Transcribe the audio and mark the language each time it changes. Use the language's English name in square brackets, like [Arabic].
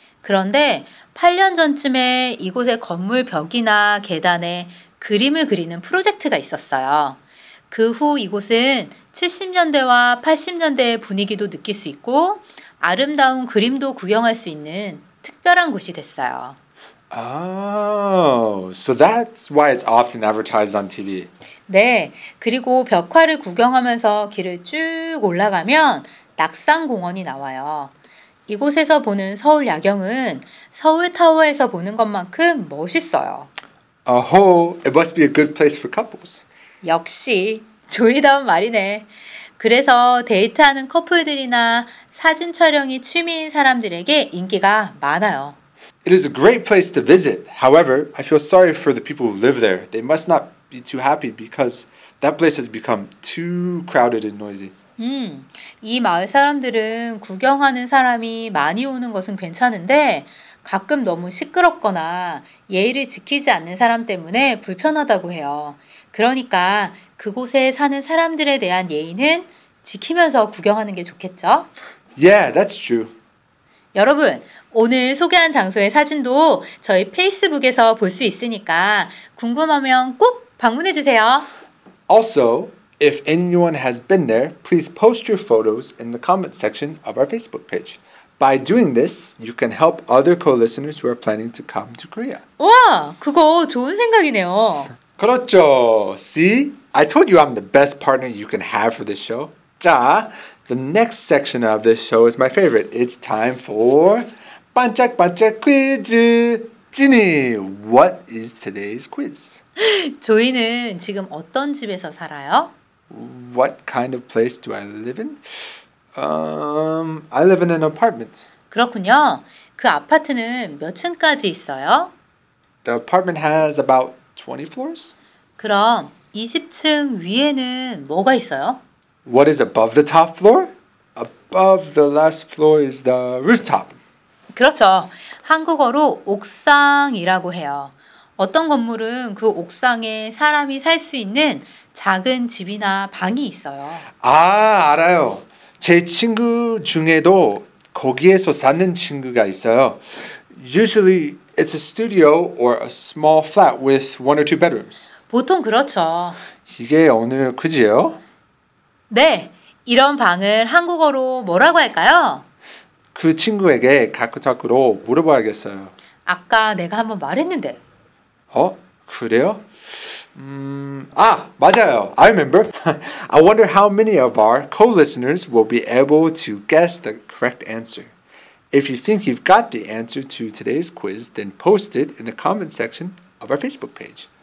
[Korean] 그런데 8년 전쯤에 이곳의 건물 벽이나 계단에 그림을 그리는 프로젝트가 있었어요. 그 후 이곳은 70년대와 80년대의 분위기도 느낄 수 있고 아름다운 그림도 구경할 수 있는 특별한 곳이 됐어요. [English] Oh, so that's why it's often advertised on TV. [Korean] 네, 그리고 벽화를 구경하면서 길을 쭉 올라가면 낙산공원이 나와요. 이곳에서 보는 서울 야경은 서울타워에서 보는 것만큼 멋있어요. [English] Oh, it must be a good place for couples. [Korean] 역시, 조이다운 말이네. 그래서 데이트하는 커플들이나 사진 촬영이 취미인 사람들에게 인기가 많아요. [English] It is a great place to visit. However, I feel sorry for the people who live there. They must not be too happy because that place has become too crowded and noisy. [Korean] 이 마을 사람들은 구경하는 사람이 많이 오는 것은 괜찮은데 가끔 너무 시끄럽거나 예의를 지키지 않는 사람 때문에 불편하다고 해요. 그러니까 그곳에 사는 사람들에 대한 예의는 지키면서 구경하는 게 좋겠죠? [English] Yeah, that's true. [Korean] 여러분, 오늘 소개한 장소의 사진도 저희 페이스북에서 볼 수 있으니까 궁금하면 꼭 방문해 주세요. [English] Also, if anyone has been there, please post your photos in the comment section of our Facebook page. By doing this, you can help other co-listeners who are planning to come to Korea. [Korean] 와, 그거 좋은 생각이네요. 그렇죠. [English] See? I told you I'm the best partner you can have for this show. 자, the next section of this show is my favorite. It's time for 반짝반짝 퀴즈. 지니, what is today's quiz? [Korean] 조이는 지금 어떤 집에서 살아요? [English] What kind of place do I live in? I live in an apartment. [Korean] 그렇군요. 그 아파트는 몇 층까지 있어요? [English] The apartment has about 20 floors. [Korean] 그럼 20층 위에는 뭐가 있어요? [English] What is above the top floor? Above the last floor is the rooftop. [Korean] 그렇죠. 한국어로 옥상이라고 해요. 어떤 건물은 그 옥상에 사람이 살 수 있는 작은 집이나 방이 있어요. 아, 알아요. 제 친구 중에도 거기에서 사는 친구가 있어요. [English] Usually it's a studio or a small flat with one or two bedrooms. [Korean] 보통 그렇죠. 이게 오늘 퀴즈예요? 네. 이런 방을 한국어로 뭐라고 할까요? 그 친구에게 카카오톡으로 물어봐야겠어요. 아까 내가 한번 말했는데. 어? 그래요? 아, 맞아요. [English] I remember. I wonder how many of our co-listeners will be able to guess the correct answer. If you think you've got the answer to today's quiz, then post it in the comment section of our Facebook page.